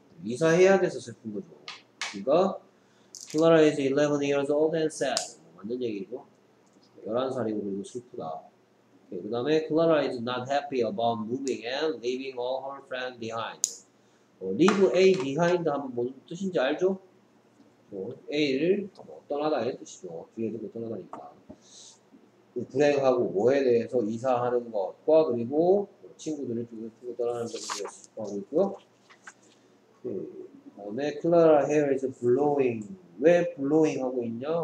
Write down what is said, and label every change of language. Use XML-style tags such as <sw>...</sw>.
<ko>이사해야 돼서 슬픈 거죠. 그러니까</ko> <en>Clara is 11 years old and sad.</en> <ko>맞는 얘기고 11살이고 그리고 슬프다. 오케이, 그 다음에</ko> <en>Clara is not happy about moving and leaving all her friends behind. 'leave a behind'</en> <ko>하면 무슨 뜻인지 알죠? 뭐, a를 뭐, 떠나다 이런 뜻이죠. 뒤에 두고 떠나다니까 불행하고 뭐에 대해서 이사하는 것과 그리고 친구들을 두고 떠나는 것에 하고 있고요. 그 다음에 클라라</ko> <en>hair is blowing.</en> <ko>왜</ko> <en>blowing</en> <ko>하고 있냐?</ko>